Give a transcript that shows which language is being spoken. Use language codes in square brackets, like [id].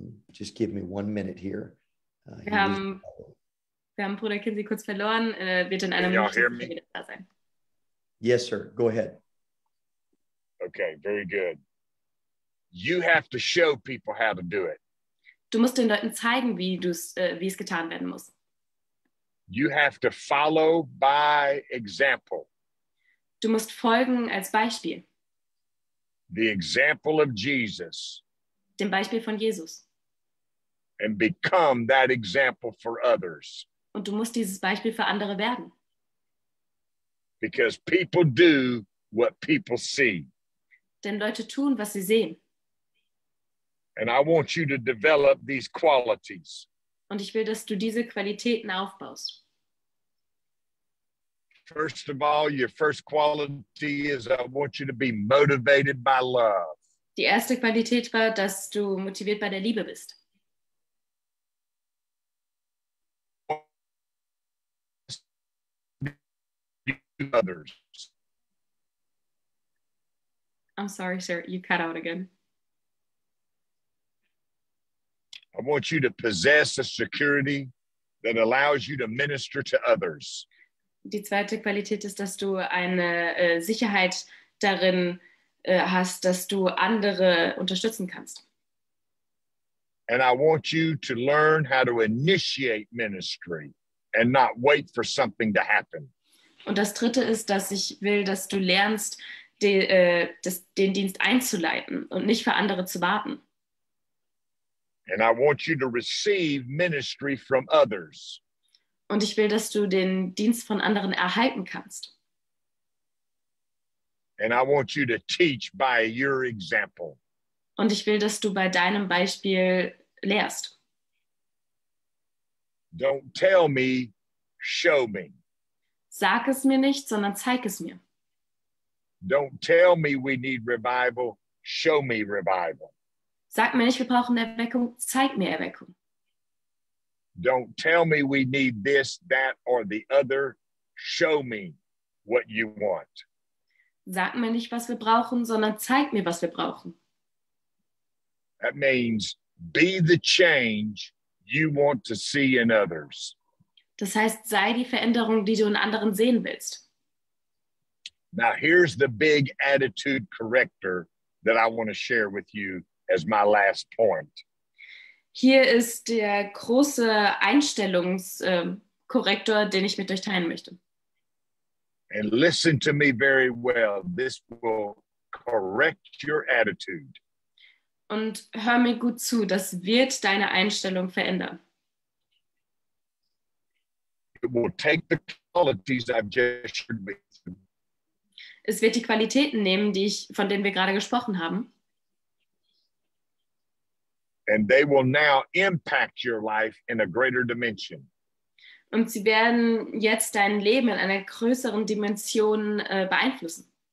[en] Just give me 1 minute here. [de] Wir haben Bruder Kinsey kurz verloren. Wird in einem Minute da sein. [en] Yes, sir. Go ahead. Okay, very good. You have to show people how to do it. [de] Du musst den Leuten zeigen, wie es getan werden muss. [en] You have to follow by example. [de] Du musst folgen als Beispiel. [en] The example of Jesus. [de] Dem Beispiel von Jesus. [en] And become that example for others. [de] Und du musst dieses Beispiel für andere werden. [en] Because people do what people see. [de] Denn Leute tun, was sie sehen. [en] And I want you to develop these qualities. [de] Und ich will, dass du diese Qualitäten aufbaust. [en] First of all, your first quality is I want you to be motivated by love. [de] Die erste Qualität war, dass du motiviert bei der Liebe bist. [en] Others. I'm sorry, sir. You cut out again. I want you to possess a security that allows you to minister to others. [de] Die zweite Qualität ist, dass du eine Sicherheit darin hast, dass du andere unterstützen kannst. [en] And I want you to learn how to initiate ministry and not wait for something to happen. [de] Und das dritte ist, dass ich will, dass du lernst, den Dienst einzuleiten und nicht für andere zu warten. [en] And I want you to receive ministry from others. [de] Und ich will, dass du den Dienst von anderen erhalten kannst. [en] And I want you to teach by your example. [de] Und ich will, dass du bei deinem Beispiel lehrst. [en] Don't tell me, show me. [de] Sag es mir nicht, sondern zeig es mir. [en] Don't tell me we need revival, show me revival. [de] Sag mir nicht, wir brauchen Erweckung, zeig mir Erweckung. [en] Don't tell me we need this, that, or the other. Show me what you want. [de] Sag mir nicht, was wir brauchen, sondern zeig mir, was wir brauchen. [en] That means be the change you want to see in others. [de] Das heißt, sei die Veränderung, die du in anderen sehen willst. [en] Now here's the big attitude corrector that I want to share with you as my last point. [de] Hier ist der große Einstellungskorrektor, den ich mit euch teilen möchte. [en] And listen to me very well. This will correct your attitude. [de] Und hör mir gut zu, das wird deine Einstellung verändern. [en] It will take the qualities I've just shared with you. [de] Es wird die Qualitäten nehmen, die ich, von denen wir gerade gesprochen haben. [en] And they will now impact your life in a greater dimension. [de] Und sie werden jetzt dein Leben in einer größeren Dimension beeinflussen.